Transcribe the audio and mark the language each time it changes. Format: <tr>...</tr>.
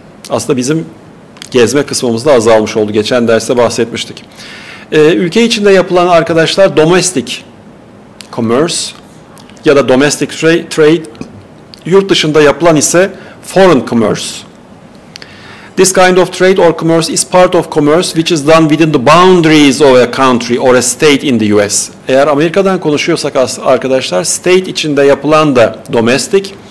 <tr>Aslında bizim gezme kısmımız da azalmış oldu. Geçen derste bahsetmiştik. Ülke içinde yapılan arkadaşlar domestic commerce ya da domestic trade, yurt dışında yapılan ise foreign commerce.</tr> <en>This kind of trade or commerce is part of commerce which is done within the boundaries of a country or a state in the US.</en> <tr>Eğer Amerika'dan konuşuyorsak arkadaşlar, state içinde yapılan da domestic.</tr>